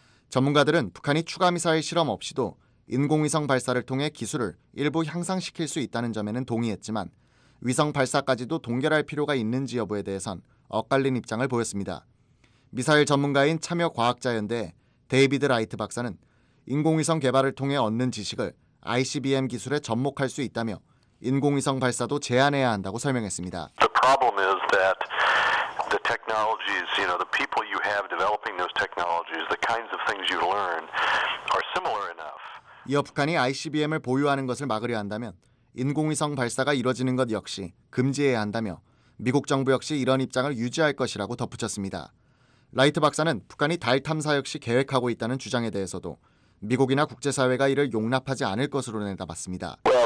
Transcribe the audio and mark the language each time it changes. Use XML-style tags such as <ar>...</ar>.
<ko>전문가들은 북한이 추가 미사일 실험 없이도 인공위성 발사를 통해 기술을 일부 향상시킬 수 있다는 점에는 동의했지만 위성 발사까지도 동결할 필요가 있는지 여부에 대해선 엇갈린 입장을 보였습니다. 미사일 전문가인 참여과학자연대 데이비드 라이트 박사는 인공위성 개발을 통해 얻는 지식을 ICBM 기술에 접목할 수 있다며 인공위성 발사도 제한해야 한다고 설명했습니다.</ko> <en>The problem is that the technologies, you know, the people you have developing those technologies, the kinds of things you learn are similar enough.</en> <ko>이어 북한이 ICBM을 보유하는 것을 막으려 한다면 인공위성 발사가 이루어지는 것 역시 금지해야 한다며 미국 정부 역시 이런 입장을 유지할 것이라고 덧붙였습니다. 라이트 박사는 북한이 달 탐사 역시 계획하고 있다는 주장에 대해서도 미국이나 국제사회가 이를 용납하지 않을 것으로 내다봤습니다.</ko>